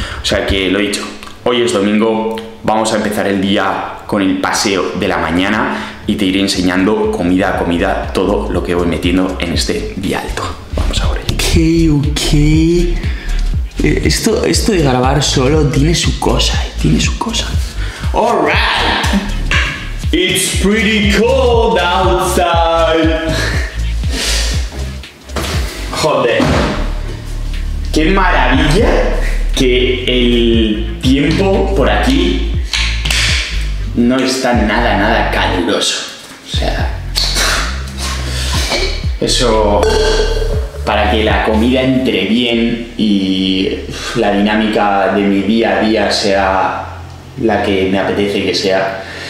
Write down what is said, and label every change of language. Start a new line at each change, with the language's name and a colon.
Spanish: O sea que lo dicho, hoy es domingo, vamos a empezar el día con el paseo de la mañana y te iré enseñando comida a comida todo lo que voy metiendo en este día alto. Vamos a por ello. Ok. Esto de grabar solo tiene su cosa, tiene su cosa.
English: Alright. It's pretty cold outside.
Spanish: Joder, qué maravilla que el tiempo por aquí no está nada, nada caluroso. O sea, eso para que la comida entre bien y la dinámica de mi día a día sea la que me apetece que sea.